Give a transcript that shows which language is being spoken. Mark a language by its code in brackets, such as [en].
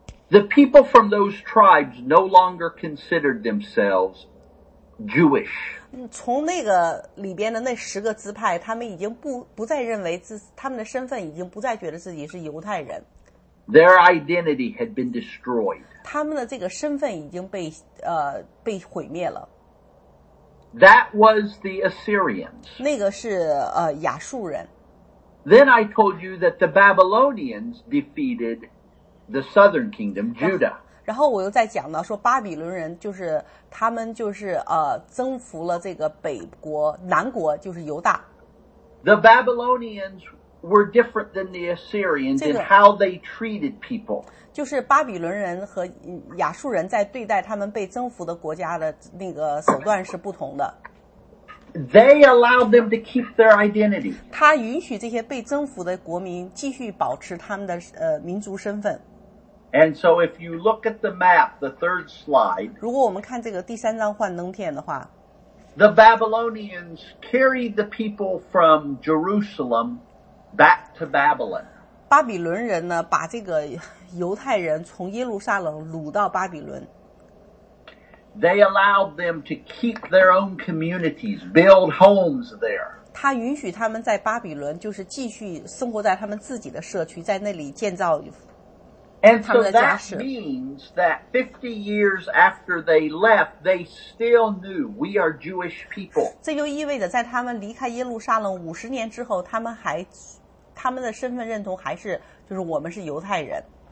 [en] The people from those tribes no longer considered themselves Jewish. [zh] 从那个里边的那十个支派，他们已经不再认为自他们的身份，已经不再觉得自己是犹太人。 [en] Their identity had been destroyed. [zh] 他们的这个身份已经被毁灭了。 [en] That was the Assyrians. [zh] 那个是亚述人。 [en] Then I told you that the Babylonians defeated the southern kingdom, Judah. [zh] 然后我又在讲到说巴比伦人就是他们就是征服了这个北国南国就是犹大。 [en] The Babylonians were different than the Assyrians in how they treated people. [zh] 就是巴比伦人和亚述人在对待他们被征服的国家的那个手段是不同的。 [en] They allowed them to keep their identity. [zh] 他允许这些被征服的国民继续保持他们的民族身份。 [en] And so if you look at the map, the third slide, [zh] 如果我们看这个第三张幻灯片的话， [en] the Babylonians carried the people from Jerusalem back to Babylon. [zh] 巴比伦人呢，把这个犹太人从耶路撒冷掳到巴比伦。 [en] They allowed them to keep their own communities, build homes there. [zh] 他允许他们在巴比伦就是继续生活在他们自己的社区，在那里建造。 [en] And so that means that 50 years after they left, they still knew we are Jewish people. [zh] 这就意味着在他们离开耶路撒冷50年之后，他们的身份认同还是就是我们是犹太人。